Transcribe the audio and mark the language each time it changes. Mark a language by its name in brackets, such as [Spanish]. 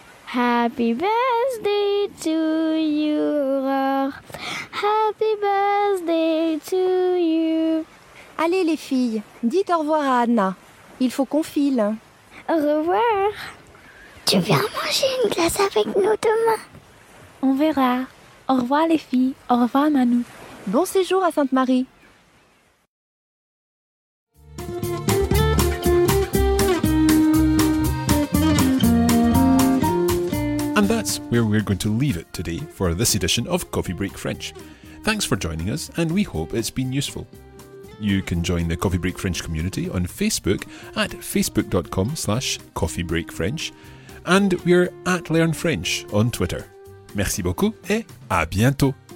[English] Happy birthday to you, Aurore. Happy birthday to you. [French] Allez, les filles, dites au revoir à Anna. Il faut qu'on file. Au revoir. Tu viens manger une glace avec nous demain? On verra. Au revoir, les filles. Au revoir, Manu. Bon séjour à Sainte-Marie. [English] And that's where we're going to leave it today for this edition of Coffee Break French. Thanks for joining us, and we hope it's been useful. You can join the Coffee Break French community on Facebook at facebook.com/coffeebreakfrench, and we're at Learn French on Twitter. [French] Merci beaucoup et à bientôt!